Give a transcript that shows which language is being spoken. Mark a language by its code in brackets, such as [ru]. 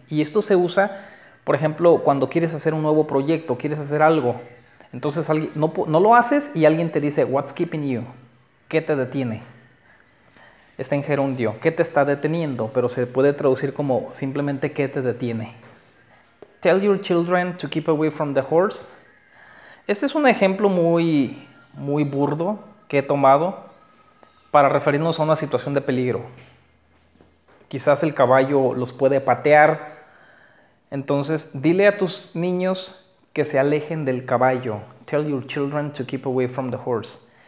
[es] Y esto se usa, por ejemplo, cuando quieres hacer un nuevo proyecto, quieres hacer algo. Entonces, no lo haces y alguien te dice [en] what's keeping you? [es] ¿Qué te detiene? Está en gerundio. ¿Qué te está deteniendo? Pero se puede traducir como simplemente ¿qué te detiene? [en] Tell your children to keep away from the horse. [es] Este es un ejemplo muy, muy burdo que he tomado para referirnos a una situación de peligro. Quizás el caballo los puede patear. Entonces, dile a tus niños que se alejen del caballo. [en] Tell your children to keep away from the horse.